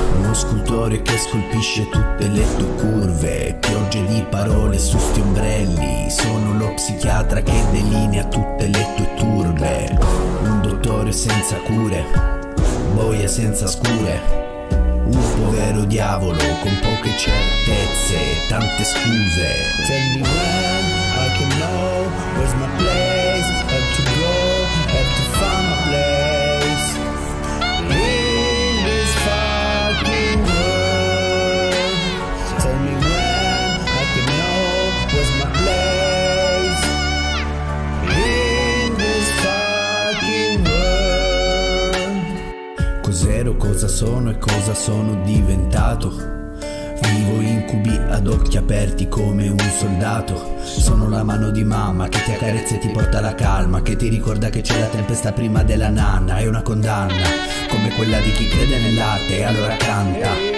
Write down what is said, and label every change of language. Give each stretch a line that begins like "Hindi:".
Italian: uno scultore che scolpisce tutte le tue curve, piogge di parole su sti ombrelli, sono lo psichiatra che delinea tutte le tue turbe, un dottore senza cure, boia senza scure, un povero diavolo con poche certezze, tante scuse.
English: Tell me when I can know, where's my place, have to grow, have to find my place, in this fucking world. Tell me when I can know, where's my place, in this fucking world.
Italian: Cos'ero, cosa sono e cosa sono diventato? Vivo incubi ad occhi aperti come un soldato. Sono la mano di mamma che ti accarezza e ti porta la calma, che ti ricorda che c'è la tempesta prima della nanna. È una condanna come quella di chi crede nell'arte e allora canta.